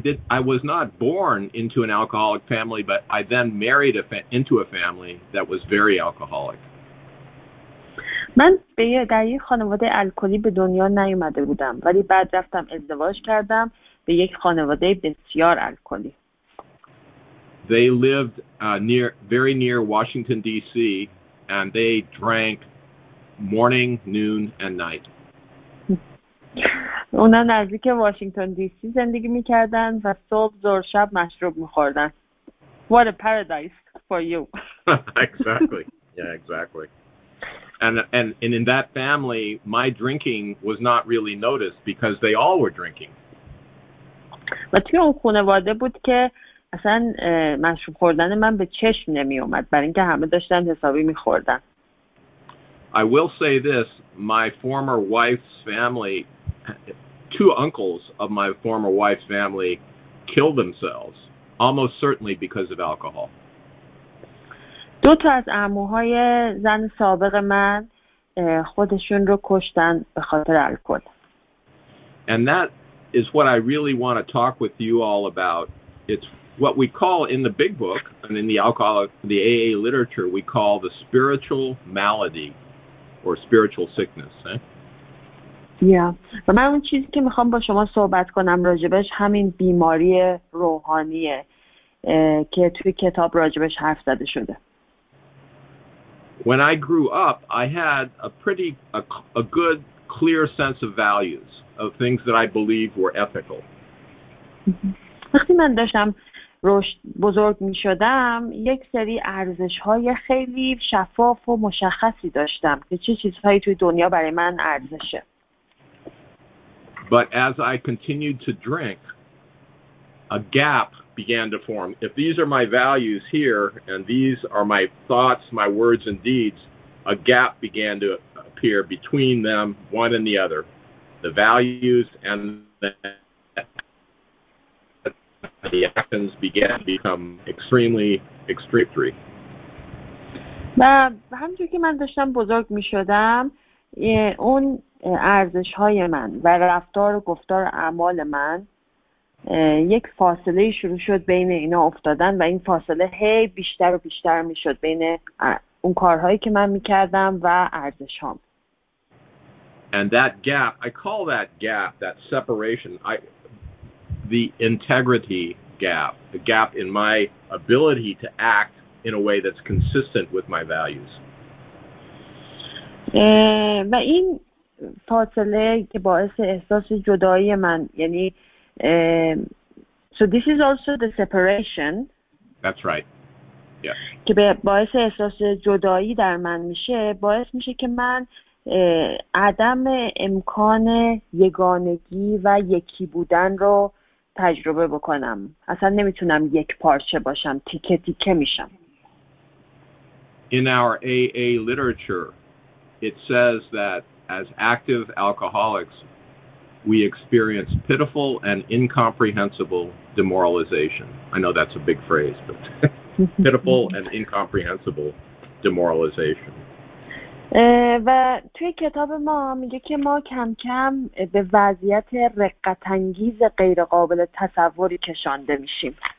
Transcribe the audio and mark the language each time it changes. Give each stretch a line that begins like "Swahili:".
English: I was not born into an alcoholic family, but I then married into a family that was very alcoholic.
Persian: من به یه دایی خانواده الکلی به دنیا نیومده بودم، ولی بعد رفتم ازدواج کردم به یک خانواده بسیار الکلی.
English: They lived very near Washington D.C. and they drank morning, noon, and night.
Persian: اونا نزدیک واشنگتن دی سی زندگی میکردن و صبح زور شب مشروب میخوردن.
English: What a paradise for you. Exactly. Yeah, exactly. And in that family, my drinking was not really noticed because they all were drinking.
Persian: و توی اون خانواده بود که اصلا مشروب خوردن من به چشم نمی اومد برای اینکه همه داشتن حسابی می خوردن.
English: I will say this, my former wife's family, two uncles of my former wife's family killed themselves, almost certainly because of alcohol.
Persian: دو تا از عموهای زن سابق من خودشون رو کشتن به خاطر الکل.
English: And that is what I really want to talk with you all about. It's what we call in the big book and in the alcoholic, the AA literature, we call the spiritual malady or spiritual sickness.
Persian: و من اون چیزی که میخوام با شما صحبت کنم راجبش همین بیماری روحانیه که توی کتاب راجبش حرف زده شده.
English: When I grew up, I had a good, clear sense of values, of things that I believed were ethical.
Persian: وقتی من داشتم رشد بزرگ می‌شدم، یک سری ارزش‌های خیلی شفاف و مشخصی داشتم که چه چیزهایی توی دنیا برای من ارزشه.
English: But as I continued to drink, a gap began to form. If these are my values here, and these are my thoughts, my words, and deeds, a gap began to appear between them, one and the other. The values and the actions began to become extremely extreme.
Persian: و همچون که من داشتم بزرگ می شدم، اون ارزش های من و رفتار و گفتار اعمال من یک فاصله شروع شد بین اینا افتادن و این فاصله هی بیشتر و بیشتر می شد بین اون کارهایی که من می کردم و ارزش هام.
English: And that gap, I call that gap, that separation, the integrity gap, the gap in my ability to act in a way that's consistent with my values.
Persian: و این فاصله که باعث احساس جدایی من یعنی
English: so this is also the separation. That's right. Yeah.
Persian: که باعث احساس جدایی در من میشه، باعث میشه که من عدم امکان یگانگی و یکی بودن رو تجربه بکنم. اصلا نمیتونم یک پارچه باشم، تیکه تیکه میشم.
English: In our AA literature, it says that as active alcoholics, we experience pitiful and incomprehensible demoralization. I know that's a big phrase, but pitiful and incomprehensible demoralization.
Persian: و توی کتاب ما میگه که ما کم کم به وضعیت رقت‌انگیز غیر قابل تصوری کشانده میشیم.